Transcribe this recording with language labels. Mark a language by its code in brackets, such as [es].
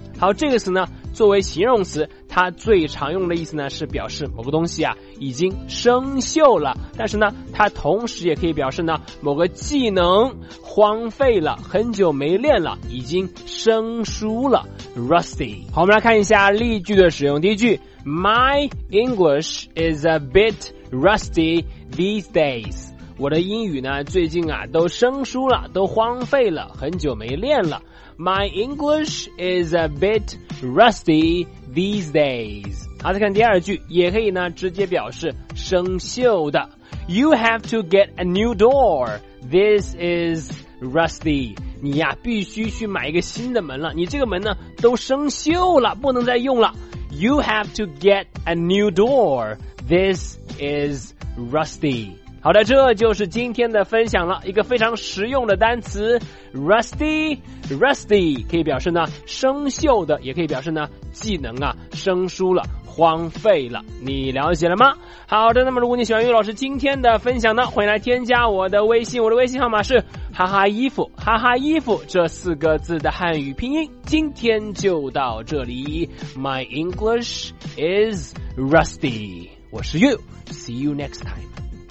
[zh] 好，这个词呢作为形容词，它最常用的意思呢是表示某个东西啊已经生锈了，但是呢它同时也可以表示呢某个技能荒废了，很久没练了，已经生疏了， Rusty。好，我们来看一下例句的使用。第一句， [en] My English is a bit rusty these days。 [zh] 我的英语呢最近啊都生疏了，都荒废了，很久没练了。 [en] My English is a bit rusty these days。 [zh] 好，再看第二句，也可以呢直接表示生锈的。 [en] You have to get a new door. This is rusty. [zh] 你呀必须去买一个新的门了，你这个门呢都生锈了，不能再用了。 [en] You have to get a new door. This is rusty. [zh] 好的，这就是今天的分享了，一个非常实用的单词 rusty。 Rusty 可以表示呢生锈的，也可以表示呢技能啊生疏了，荒废了，你了解了吗？好的，那么如果你喜欢于老师今天的分享呢，欢迎来添加我的微信，我的微信号码是哈哈衣服，哈哈衣服这四个字的汉语拼音。今天就到这里， [en] My English is rusty。 [zh] 我是 [en] You, See you next time。